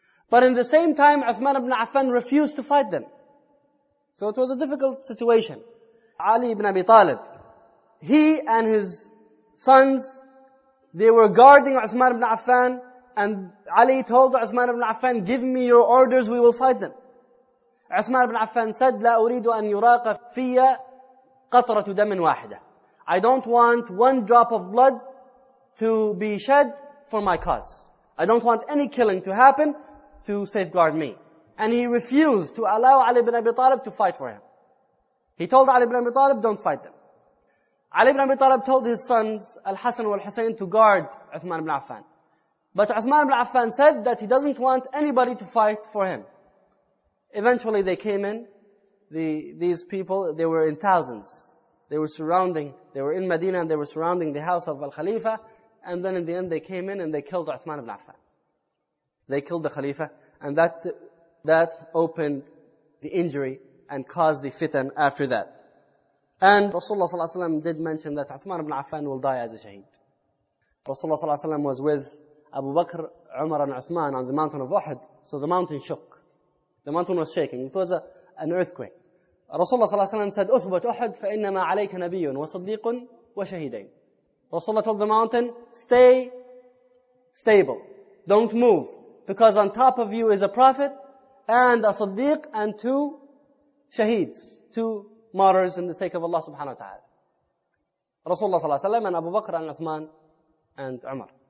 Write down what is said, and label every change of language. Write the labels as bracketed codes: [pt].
[en] But in the same time, Uthman ibn Affan refused to fight them. So it was a difficult situation. Ali ibn Abi Talib, he and his sons, they were guarding Uthman ibn Affan and Ali told Uthman ibn Affan, give me your orders, we will fight them. Uthman ibn Affan said, [ar] لا أريد أن يراق في قطرة دم واحدة. [en] I don't want one drop of blood to be shed for my cause. I don't want any killing to happen to safeguard me. And he refused to allow Ali ibn Abi Talib to fight for him. He told Ali ibn Abi Talib, don't fight them. Ali ibn Abi Talib told his sons, Al-Hasan and Al-Husayn, to guard Uthman ibn Affan. But Uthman ibn Affan said that he doesn't want anybody to fight for him. Eventually they came in. These people, they were in thousands. They were surrounding, they were in Medina and they were surrounding the house of Al-Khalifa. And then in the end they came in and they killed Uthman ibn Affan. They killed the Khalifa and that opened the injury and caused the fitan after that. And Rasulullah sallallahu alayhi wa sallam did mention that Uthman ibn Affan will die as a shaheed. Rasulullah sallallahu alayhi wa sallam was with Abu Bakr, Umar and Uthman on the mountain of Uhud. So the mountain shook. The mountain was shaking. It was an earthquake. [ar] Rasulullah sallallahu alayhi wa sallam said, أثبت أحد فإنما عليك نبي وصديق وشهيدين. [en] Rasulullah told the mountain, stay stable. Don't move. Because on top of you is a prophet and a صديق and two shaheeds. Two martyrs in the sake of Allah subhanahu wa ta'ala. Rasulullah sallallahu alayhi wa sallam and Abu Bakr and Uthman and Umar.